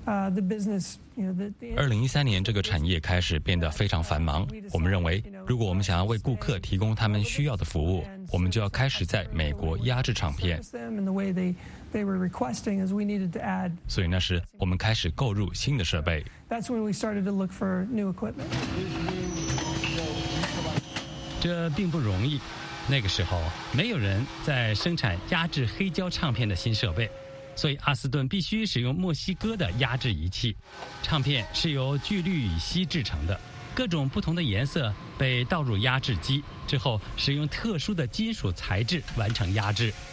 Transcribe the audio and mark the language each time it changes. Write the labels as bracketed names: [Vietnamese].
[English] the business, you know, the [Chinese] 2013年这个产业开始变得非常繁忙。我们认为，如果我们想要为顾客提供他们需要的服务，我们就要开始在美国压制唱片。所以那时我们开始购入新的设备。 [English] That's when we started to look for new equipment. [Chinese] 这并不容易。那个时候，没有人在生产压制黑胶唱片的新设备，所以阿斯顿必须使用墨西哥的压制仪器。唱片是由聚氯乙烯制成的，各种不同的颜色被倒入压制机，之后使用特殊的金属材质完成压制。